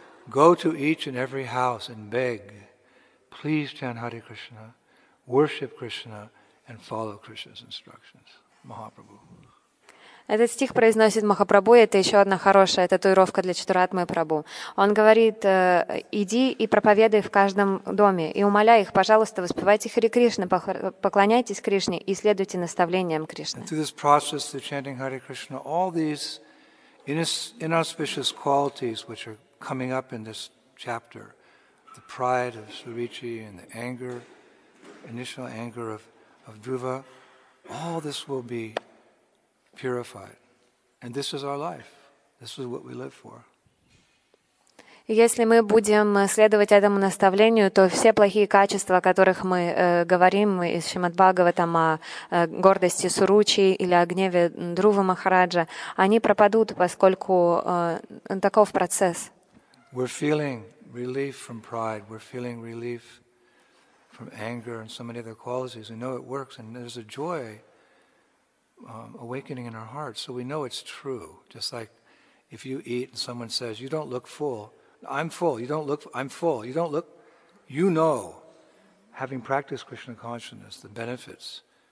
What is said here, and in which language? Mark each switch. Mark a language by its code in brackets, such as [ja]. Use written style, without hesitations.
[en] Go to each and every house and beg, please chant Hare Krishna, worship Krishna, and follow Krishna's instructions. Mahaprabhu. [ru] Этот стих произносит Махапрабху, и это еще одна хорошая татуировка для Чатуратмы Прабху. Он говорит: иди и проповедуй в каждом доме, и умоляй их, пожалуйста, воспевайте Хари Кришна, поклоняйтесь Кришне и следуйте наставлениям Кришны. [en] Through this process of chanting Hare Krishna, all these inauspicious qualities which are coming up in this chapter, the pride of Suruchi and the anger, initial anger of Dhruva, all this will be purified. And this is our life. This is what we live for. [ru] Если мы будем следовать этому наставлению, то все плохие качества, о которых мы говорим из Шримад-Бхагаватам, о гордости Суручи или о гневе Друва Махараджа, они пропадут, поскольку таков процесс. [en] We're feeling relief from pride. We're feeling relief from anger and so many other qualities. We know it works, and there's a joy awakening in our hearts, so we know it's true. Just like if you eat and someone says, you don't look full, I'm full, you don't look, I'm full, you don't look, you know, having practiced Krishna consciousness, the benefits.